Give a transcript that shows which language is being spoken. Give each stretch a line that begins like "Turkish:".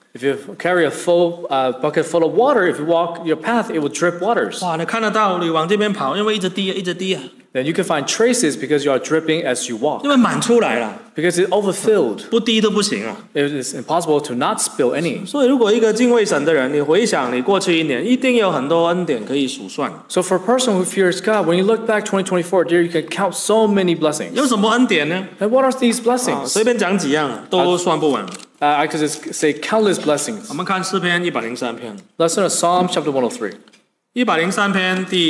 English: If you carry a full bucket full of water, if you walk your path, it will drip waters.
Chinese: 哇,你看得到,你往这边跑,因为一直滴,
English: then you can find traces because you are dripping as you walk.
Chinese: 因为满出来了,
English: because it overfilled.
Chinese: 不滴都不行啊,
English: it is impossible to not spill any.
Chinese: 所以如果一个敬畏神的人,你回想你过去一年,
English: so for a person who fears God, when you look back 2024, there you can count so many blessings.
Chinese: 有什么恩典呢?
English: And what are these blessings?
Chinese: 随便讲几样,都算不完。
English: I could just say countless blessings.
Chinese: 我们看诗篇103篇。
English: Let's turn to Psalm chapter 103.